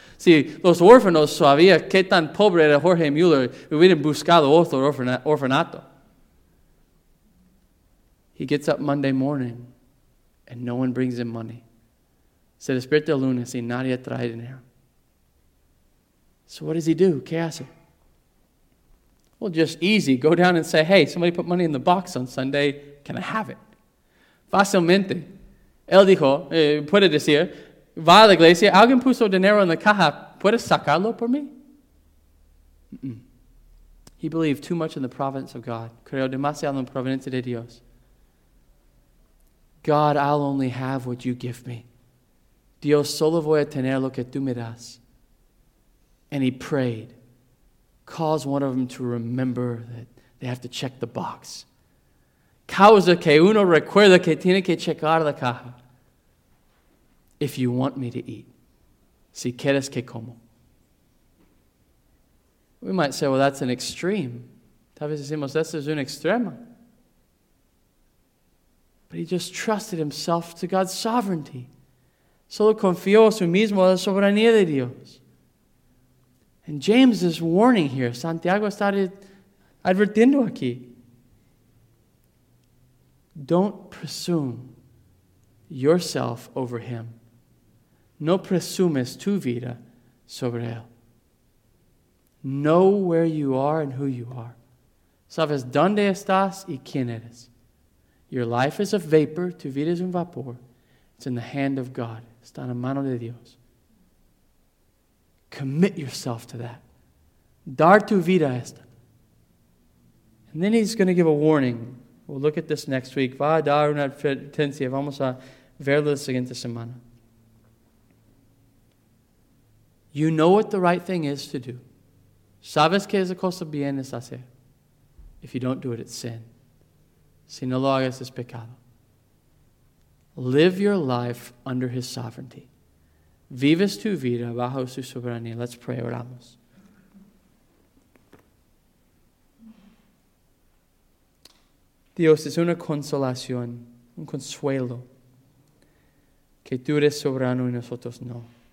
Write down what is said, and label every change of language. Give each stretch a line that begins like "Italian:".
Spanish: Si los órfanos sabían qué tan pobre era Jorge Mueller, hubieran buscado otro orfanato.
English: He gets up Monday morning, and no one brings him money.
Spanish: Se despierta el lunes y nadie trae dinero.
English: So what does he do?
Spanish: ¿Qué hace?
English: Well, just easy. Go down and say, hey, somebody put money in the box on Sunday. Can I have it?
Spanish: Fácilmente. Él dijo, puede decir, va a la iglesia, alguien puso dinero en la caja, ¿puedes sacarlo por mí? Mm-mm.
English: He believed too much in the providence of God.
Spanish: Creo demasiado en la providencia de Dios.
English: God, I'll only have what you give me.
Spanish: Dios, solo voy a tener lo que tú me das.
English: And he prayed, cause one of them to remember that they have to check the box.
Spanish: Causa que uno recuerda que tiene que checar la caja.
English: If you want me to eat,
Spanish: si quieres que como.
English: We might say, well, that's an extreme.
Spanish: Tal vez decimos, eso es un extremo.
English: But he just trusted himself to God's sovereignty.
Spanish: Solo confió a su mismo a la soberanía de Dios.
English: And James is warning here.
Spanish: Santiago está advirtiendo aquí.
English: Don't presume yourself over him.
Spanish: No presumes tu vida sobre él.
English: Know where you are and who you are.
Spanish: Sabes dónde estás y quién eres.
English: Your life is a vapor,
Spanish: tu vida es un vapor.
English: It's in the hand of God.
Spanish: Está en la mano de Dios.
English: Commit yourself to that.
Spanish: Dar tu vida a esta.
English: And then he's going to give a warning. We'll look at this next week.
Spanish: Va a dar una advertencia. Vamos a ver la siguiente semana.
English: You know what the right thing is to do.
Spanish: Sabes que es la cosa bien es hacer.
English: If you don't do it, it's sin.
Spanish: Si no lo hagas, es pecado.
English: Live your life under his sovereignty.
Spanish: Vives tu vida bajo su soberanía.
English: Let's pray,
Spanish: oramos. Dios, es una consolación, un consuelo, que tú eres soberano y nosotros no.